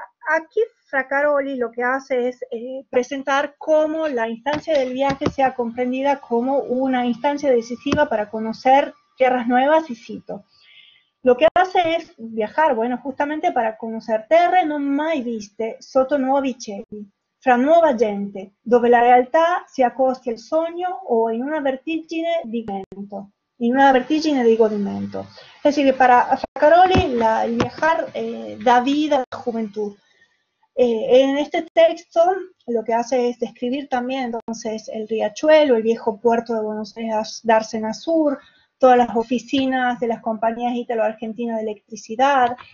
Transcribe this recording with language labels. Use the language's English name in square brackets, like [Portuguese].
[Spanish] Aquí Fracaroli lo que hace es presentar cómo la instancia del viaje sea comprendida como una instancia decisiva para conocer tierras nuevas y cito. Lo que hace es viajar, bueno, justamente para conocer [Italian] terre non mai viste sotto nuovi cieli, fra nuova gente, dove la realtà si accosti al sogno o in una vertigine di vento. [Spanish] En una [Italian] vertigine de godimento. [Spanish] Es decir, que para Fracaroli el viajar da vida a la juventud. En este texto lo que hace es describir también entonces el riachuelo, el viejo puerto de Buenos Aires, Dársena Sur, todas las oficinas de las compañías ítalo-argentinas de electricidad.